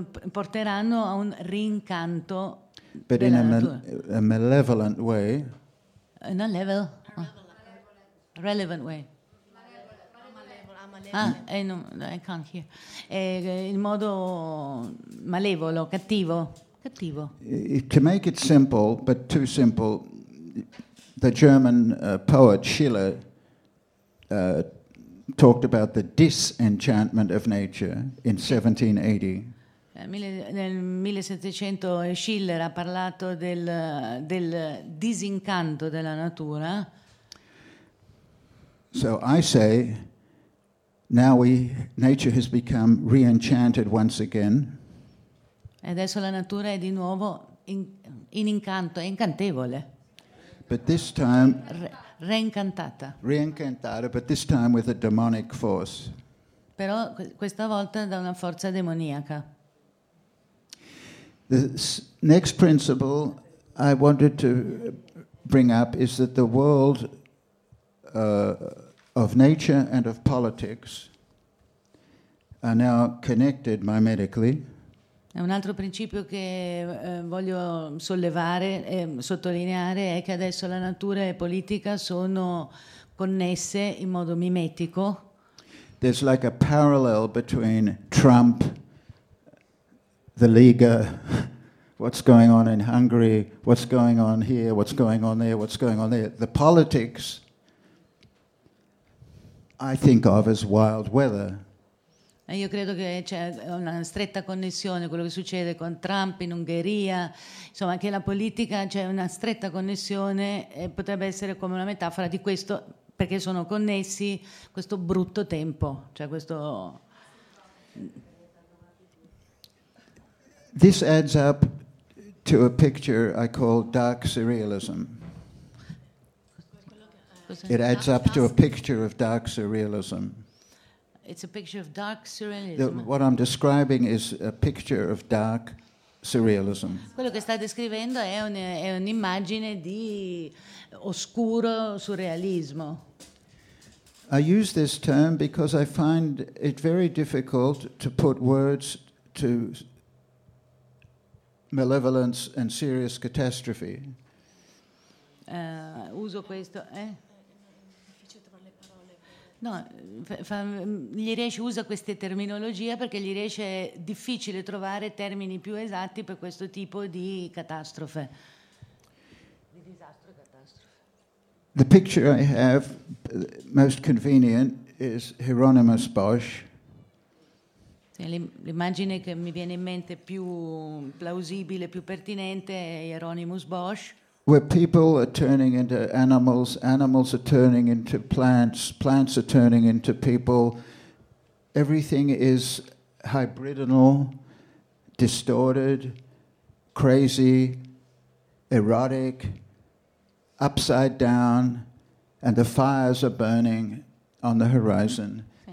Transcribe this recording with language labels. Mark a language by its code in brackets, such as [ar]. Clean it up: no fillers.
[it] porteranno a un reincanto, [en] but [it] della [en] in a malevolent way. In a level, a relevant way. No, I can't hear. [it] In modo malevolo, cattivo. [en] To make it simple, but too simple, the German poet Schiller talked about the disenchantment of nature in 1780. [it] Nel 1700 Schiller ha parlato del disincanto della natura. [en] So I say now nature has become re-enchanted once again. [it] Adesso la natura è di nuovo in incanto, è incantevole. [en] But this time [it] reincantata. Reincantata, [en] but this time with a demonic force. [it] Però questa volta da una forza demoniaca. [en] The next principle I wanted to bring up is that the world of nature and of politics are now connected mimetically. [it] Un altro principio che voglio sollevare e sottolineare è che adesso la natura e politica sono connesse in modo mimetico. [en] There's like a parallel between Trump, the Liga, what's going on in Hungary, what's going on here, what's going on there, what's going on there. The politics I think of as wild weather. [it] E io credo che c'è una stretta connessione quello che succede con Trump in Ungheria, insomma, che la politica c'è una stretta connessione e potrebbe essere come una metafora di questo, perché sono connessi questo brutto tempo, cioè questo. [en] This adds up to a picture I call dark surrealism. It adds up to a picture of dark surrealism. It's a picture of dark surrealism. What I'm describing is a picture of dark surrealism. [it] Quello che sta descrivendo è un'immagine di oscuro surrealismo. [en] I use this term because I find it very difficult to put words to malevolence and serious catastrophe. [it] Uso questo, No, gli riesce, usa queste terminologie perché gli riesce difficile trovare termini più esatti per questo tipo di catastrofe. Di disastro e catastrofe. [en] The picture I have most convenient is Hieronymus Bosch. [it] Sì, l'immagine che mi viene in mente più plausibile, più pertinente è Hieronymus Bosch. [en] Where people are turning into animals, animals are turning into plants, plants are turning into people. Everything is hybridal, distorted, crazy, erotic, upside down, and the fires are burning on the horizon.